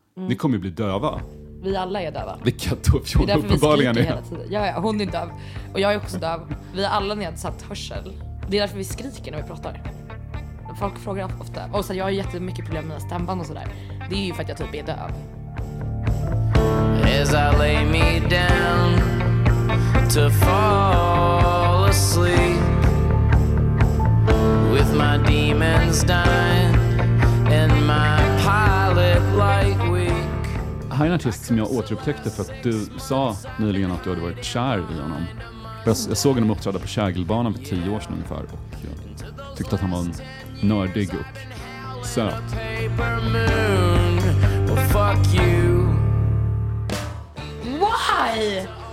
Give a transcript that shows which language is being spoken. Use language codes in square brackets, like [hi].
[sv] Ni kommer ju bli döva. Vi alla är döva. Vilka döv Fiona är uppenbarligen är. Ja, hon är döv och jag är också döv. Vi har alla nedsatt hörsel. Det är därför vi skriker när vi pratar. Folk frågar ofta. Och så jag har jättemycket problem med stämband och sådär. Det är ju för att jag typ är döv. [en] As I lay me down to fall asleep with my demons dying and my pilot light weak. [sv] Här är en artist som jag återupptäckte för att du sa nyligen att du hade varit kär i honom. Jag såg honom uppträda på Kägelbanan för 10 år sedan ungefär och jag tyckte att han var en nördig och söt. [en] fuck you. Why?